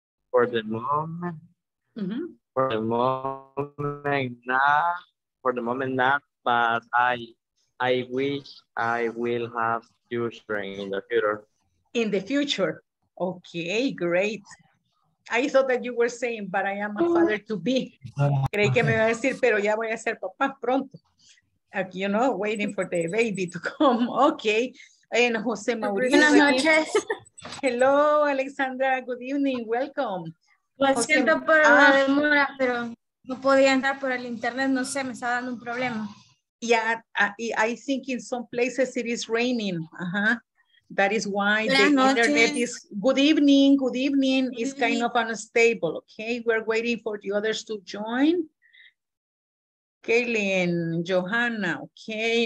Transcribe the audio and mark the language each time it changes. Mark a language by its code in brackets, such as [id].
[en] For the moment, but I wish I will have children in the future. In the future. Okay, great. I thought that you were saying, but I am a father to be. [es] Creí que me iba a decir, pero ya voy a ser papá pronto. [en] Like, you know, waiting for the baby to come. Okay. And Jose Mauricio. [es] Buenas noches. [en] Hello, Alexandra. Good evening. Welcome. [es] Lo siento por la demora, pero no podía entrar por el internet. No sé, me estaba dando un problema. [en] Yeah, I think in some places it is raining. That is why the internet is... Good evening. It's kind of unstable, okay? We're waiting for the others to join. Kaylin, Johanna, okay?